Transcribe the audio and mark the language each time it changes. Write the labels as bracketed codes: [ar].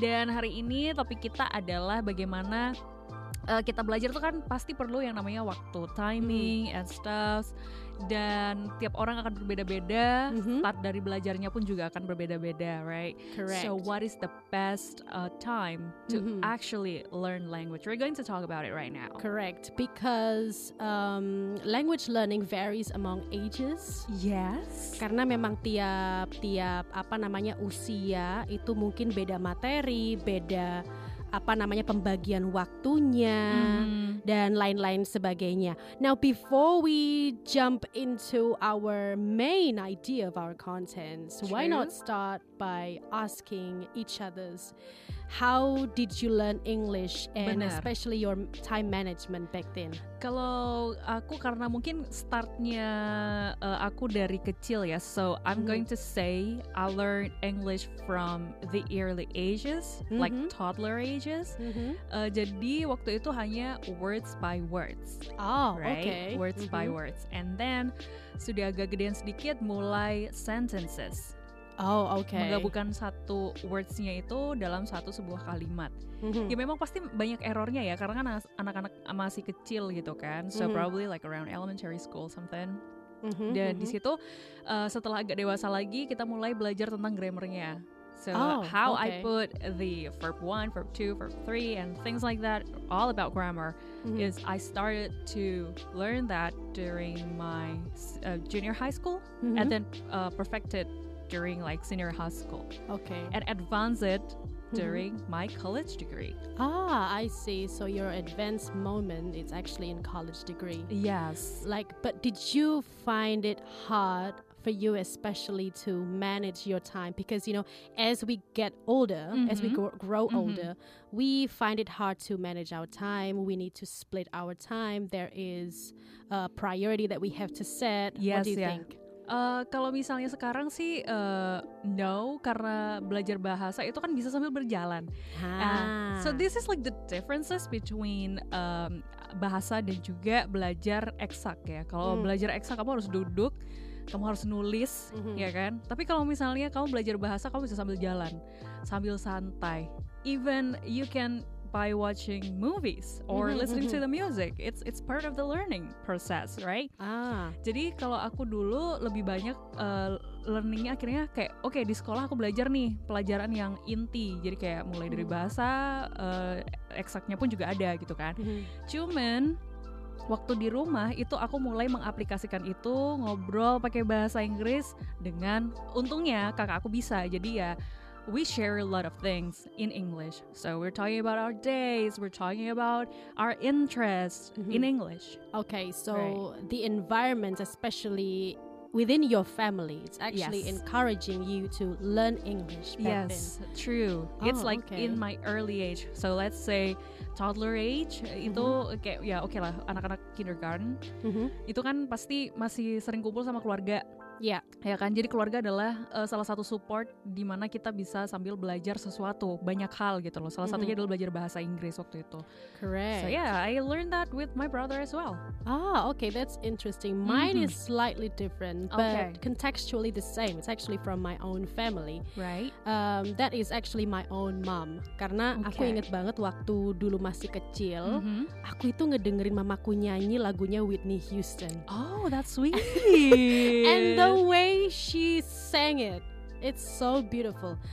[id] Dan hari ini topik kita adalah bagaimana kita belajar tuh kan pasti perlu yang namanya waktu, timing, [en] and stuff. [id] Dan tiap orang akan berbeda-beda, start dari belajarnya pun juga akan berbeda-beda, right? [en] Correct. So what is the best time to actually learn language? We're going to talk about it right now. Correct, because language learning varies among ages. Yes. [id] Karena memang tiap-tiap usia itu mungkin beda materi, beda pembagian waktunya, dan lain-lain sebagainya. [en] Now, before we jump into our main idea of our contents, why not start by asking each other's, how did you learn English, and especially your time management back then? [id] Kalau aku, karena mungkin startnya aku dari kecil ya, [en] so I'm going to say I learned English from the early ages, like toddler ages. [id] Jadi waktu itu hanya words by words. Oh, [en] right? Okay. Words by words. And then [id] sudah agak gedean sedikit mulai [en] sentences. Oh, okay. [id] Menggabungkan satu words-nya itu dalam satu sebuah kalimat. Ya memang pasti banyak errornya ya, karena kan anak-anak masih kecil gitu kan. [en] So probably like around elementary school something. [id] Dan di situ setelah agak dewasa lagi kita mulai belajar tentang grammar-nya. [en] So how I put the verb 1, verb 2, verb 3 and things like that, all about grammar, is I started to learn that during my junior high school and then perfected during like senior high school. Okay. And advanced it during my college degree. Ah, I see. So your advanced moment is actually in college degree. Yes. Like, but did you find it hard for you especially to manage your time? Because, you know, as we get older, as we grow older, we find it hard to manage our time. We need to split our time. There is a priority that we have to set. Yes, what do you yeah. think? [id] Kalau misalnya sekarang sih no, karena belajar bahasa itu kan bisa sambil berjalan. [en] So this is like the differences between bahasa [id] dan juga belajar eksak ya. Kalau belajar eksak kamu harus duduk, kamu harus nulis, ya kan? Tapi kalau misalnya kamu belajar bahasa, kamu bisa sambil jalan, sambil santai. [en] Even you can by watching movies or listening to the music. It's part of the learning process, right? [id] Jadi kalau aku dulu lebih banyak learningnya akhirnya kayak okay, di sekolah aku belajar nih pelajaran yang inti. Jadi kayak mulai dari bahasa, eksaknya pun juga ada gitu kan. Cuman waktu di rumah itu aku mulai mengaplikasikan itu, ngobrol pakai bahasa Inggris dengan untungnya kakak aku bisa. Jadi ya [en] we share a lot of things in English. So we're talking about our days, we're talking about our interests in English. Okay, so the environment, especially within your family, it's actually encouraging you to learn English. Yes, true. Oh, it's like in my early age. So let's say toddler age, [id] itu kayak, ya okay lah, anak-anak [en] kindergarten. [id] Itu kan pasti masih sering kumpul sama keluarga. Ya kan, jadi keluarga adalah salah satu support di mana kita bisa sambil belajar sesuatu, banyak hal gitu loh. Salah satunya adalah belajar bahasa Inggris waktu itu. [en] Correct. So yeah, I learned that with my brother as well. Ah, okay, that's interesting. Mine is slightly different, but contextually the same. It's actually from my own family. Right. That is actually my own mom. [id] Karena aku ingat banget waktu dulu masih kecil, aku itu ngedengerin mamaku nyanyi lagunya Whitney Houston. [en] Oh, that's sweet. And the way she sang it, it's so beautiful.